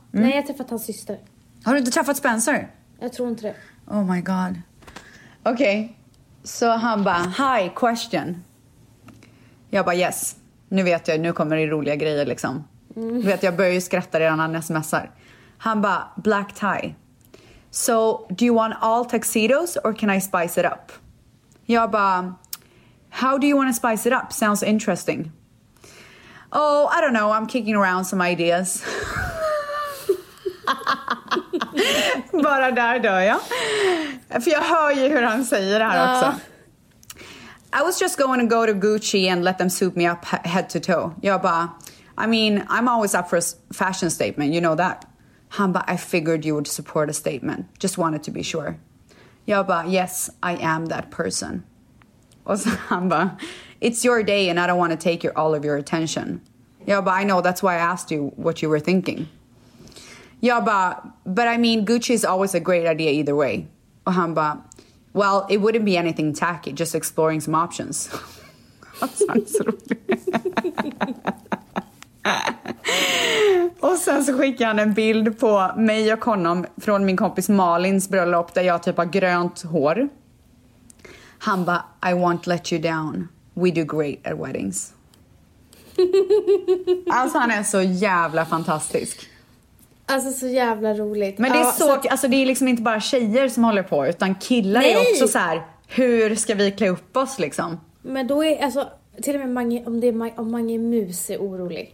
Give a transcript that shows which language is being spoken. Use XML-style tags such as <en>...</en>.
<sv>Nej, jag har träffat hans syster. Har du inte träffat Spencer? Jag tror inte det.</sv> <en>Oh my god.</en> <sv>Okej,</sv> <en>okay.</en> <sv>Så han bara,</sv> <en>hi, question.</en> <sv>Jag bara,</sv> <en>yes.</en> <sv>Nu vet jag, nu kommer det roliga grejer liksom. Mm. Vet, jag börjar ju skratta redan när han smsar. Han bara, black tie.</sv> <en>So, do you want all tuxedos or can I spice it up?</en> <sv>Jag bara,</sv> <en>how do you want to spice it up? Sounds interesting. Oh, I don't know, I'm kicking around some ideas.</en> <sv>Bara där dör jag. För jag hör ju hur han säger det här också.</sv> <en>I was just going to go to Gucci and let them suit me up head to toe.</en> <sv>Jag bara,</sv> <en>I mean, I'm always up for a fashion statement, you know that.</en> <sv>Han bara,</sv> <en>I figured you would support a statement. Just wanted to be sure.</en> <sv>Jag bara,</sv> <en>yes, I am that person.</en> <sv>Och så han bara,</sv> <en>it's your day and I don't want to take all of your attention.</en> <sv>Jag bara,</sv> <en>I know, that's why I asked you what you were thinking. Jag bara, but I mean, Gucci is always a great idea either way.</en> <sv>Och han bara,</sv> <en>well, it wouldn't be anything tacky, just exploring some options.</en> <sv>Och sen så skickar han en bild på mig och honom från min kompis Malins bröllop där jag typ har grönt hår. Han bara,</sv> <en>I won't let you down. We do great at weddings.</en> <sv>Alltså han är så jävla fantastisk. Alltså så jävla roligt. Men det är så alltså det är liksom inte bara tjejer som håller på, utan killar, nej, är också så här, hur ska vi klä upp oss liksom? Men då är alltså till och med Mange, om Mange Mus är orolig.</sv>